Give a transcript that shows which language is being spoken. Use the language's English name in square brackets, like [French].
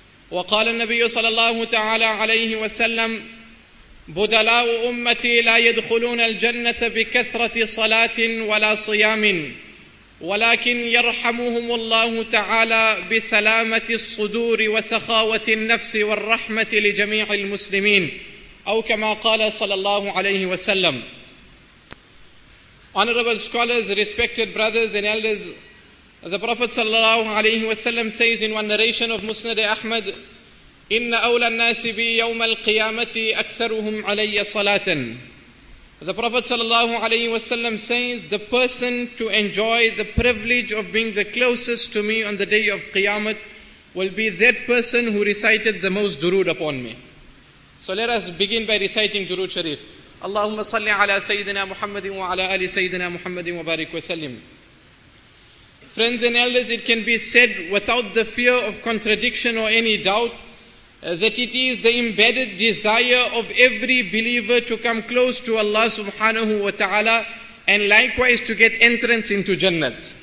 [Arabic] وقال النبي صلى الله تعالى عليه وسلم: بدلاء أمتي لا يدخلون الجنة بكثرة صلاة ولا صيام، ولكن يرحمهم الله تعالى بسلامة الصدور وسخاوة النفس والرحمة لجميع المسلمين، أو كما قال صلى الله عليه وسلم. [English] Honorable scholars, respected brothers and elders, the Prophet sallallahu alayhi wa sallam says in one narration of Musnad Ahmad, [Arabic] إِنَّ أَوْلَى النَّاسِ بِي يَوْمَ الْقِيَامَةِ أَكْثَرُهُمْ عَلَيَّ صَلَاةً. [English] The Prophet sallallahu alayhi wa sallam says, the person to enjoy the privilege of being the closest to me on the day of Qiyamah will be that person who recited the most durood upon me. So let us begin by reciting durood sharif. [Arabic] اللهم صل على سيدنا محمد وعلى آل سيدنا محمد وبارك وسلم. [English] Friends and elders, it can be said without the fear of contradiction or any doubt that it is the embedded desire of every believer to come close to Allah subhanahu wa ta'ala and likewise to get entrance into Jannah.